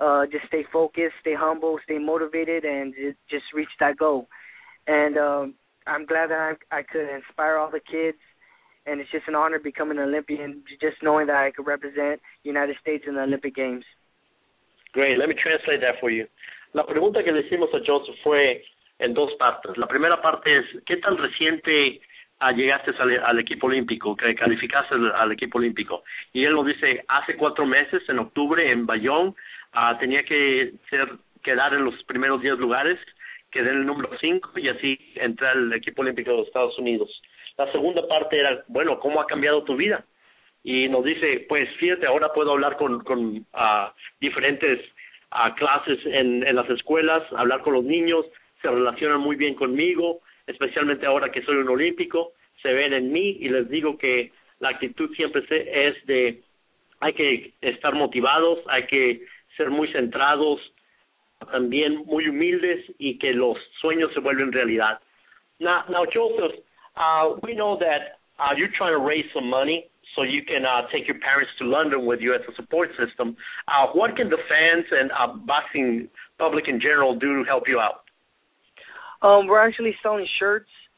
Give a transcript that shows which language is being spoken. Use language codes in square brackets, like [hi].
[en] Just stay focused, stay humble, stay motivated, and just reach that goal. And I'm glad that I could inspire all the kids. And it's just an honor becoming an Olympian, just knowing that I could represent United States in the Olympic Games. Great. Let me translate that for you. [es] La pregunta que le hicimos a Joseph fue en dos partes. La primera parte es, ¿qué tan reciente llegaste al equipo olímpico, que calificaste al equipo olímpico? Y él nos dice, hace 4 meses, en octubre, en Bayonne, tenía que quedar en los primeros 10 lugares, quedé en el número 5 y así entré al equipo olímpico de los Estados Unidos. La segunda parte era, bueno, ¿cómo ha cambiado tu vida? Y nos dice, pues fíjate, ahora puedo hablar con diferentes clases en las escuelas, hablar con los niños, se relacionan muy bien conmigo, especialmente ahora que soy un olímpico, se ven en mí y les digo que la actitud siempre es de, hay que estar motivados, hay que ser muy centrados, también muy humildes y que los sueños se vuelven realidad. [en] Now, Joseph, we know that you're trying to raise some money so you can take your parents to London with you as a support system. What can the fans and boxing public in general do to help you out? We're actually selling shirts.